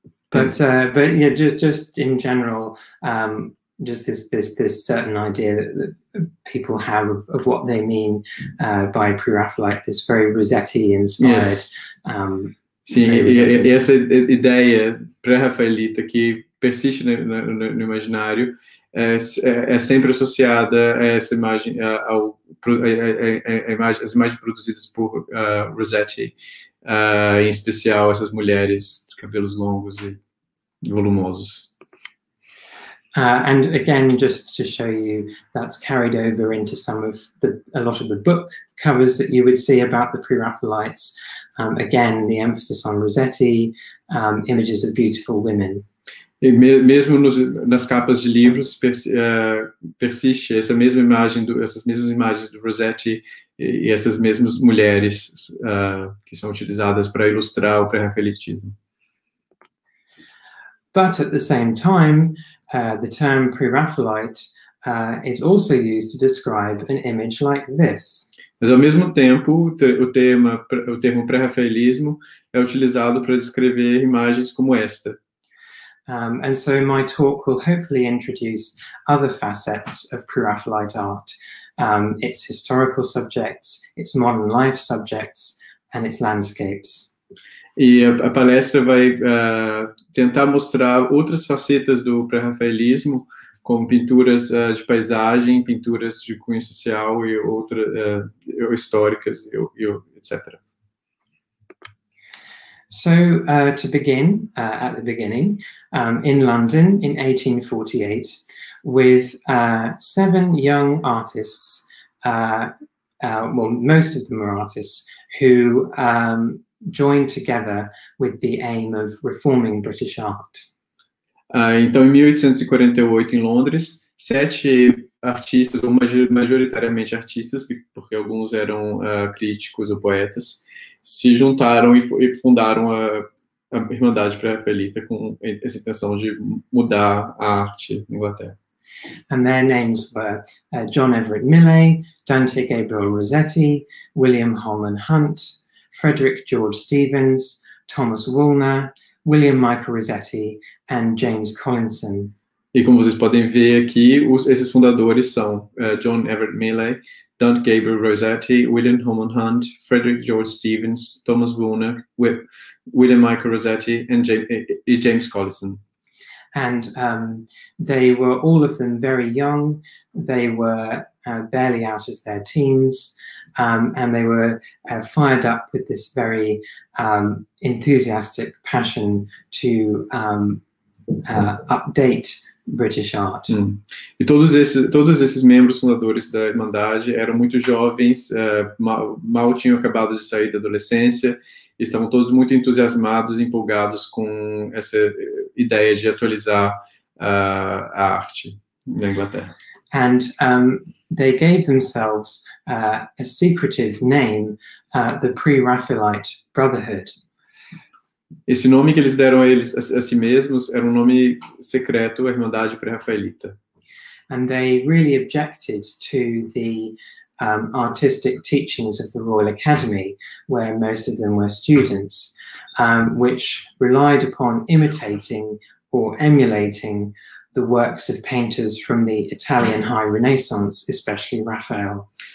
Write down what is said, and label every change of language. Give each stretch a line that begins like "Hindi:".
English: But yeah, just in general, this certain idea that people have of what they mean by Pre-Raphaelite, this very Rossetti-inspired. Yes.
Portuguese: Sim, e essa ideia pré-rafaelita que persiste no imaginário é sempre associada a essa imagem, as imagens produzidas por Rossetti, em especial essas mulheres de cabelos longos e volumosos.
English: And again, just to show you, that's carried over into a lot of the book covers that you would see about the Pre-Raphaelites. Again, the emphasis on Rossetti, images of beautiful women.
Portuguese: E mesmo nas capas de livros persiste essa mesma imagem, essas mesmas imagens do Rossetti e essas mesmas mulheres que são utilizadas para ilustrar o pré-rafaelitismo.
English: But at the same time, the term Pre-Raphaelite is also used to describe an image like this.
Portuguese: Mas ao mesmo tempo, o termo pré-rafaelismo é utilizado para descrever imagens como esta.
English: And so my talk will hopefully introduce other facets of Pre-Raphaelite art, its historical subjects, its modern life subjects, and its landscapes.
Portuguese: E a palestra vai tentar mostrar outras facetas do pré-rafaelismo, como pinturas de paisagem, pinturas de cunho social e outras históricas, etc.
English: So to begin at the beginning, in London in 1848, with seven young artists, well, most of them are artists, who joined together with the aim of reforming British art.
Portuguese: Então, em 1848, em Londres, sete artistas, ou majoritariamente artistas, porque alguns eram críticos ou poetas, se juntaram e fundaram a Irmandade Pré-Raphaelita com essa intenção de mudar a arte na Inglaterra.
English: And their names were John Everett Millais, Dante Gabriel Rossetti, William Holman Hunt, Frederick George Stevens, Thomas Woolner, William Michael Rossetti, and James Collinson.
Portuguese: E como vocês podem ver aqui, esses fundadores são John Everett Millais, Dante Gabriel Rossetti, William Holman Hunt, Frederick George Stevens, Thomas Woolner, William Michael Rossetti, and James Collinson.
English: And they were all of them very young. They were barely out of their teens. And they were fired up with this very enthusiastic passion to update British art.
Portuguese: E todos esses membros fundadores da Irmandade eram muito jovens, mal tinham acabado de sair da adolescência, e estavam todos muito entusiasmados e empolgados com essa ideia de atualizar a arte na Inglaterra.
English: And they gave themselves a secretive name, the Pre-Raphaelite Brotherhood.
Portuguese: Esse nome que eles deram a si mesmos era um nome secreto, a Irmandade Pré-Raphaelita.
English: And they really objected to the artistic teachings of the Royal Academy, where most of them were students, which relied upon imitating or emulating the works of painters from the Italian High Renaissance, especially Raphael.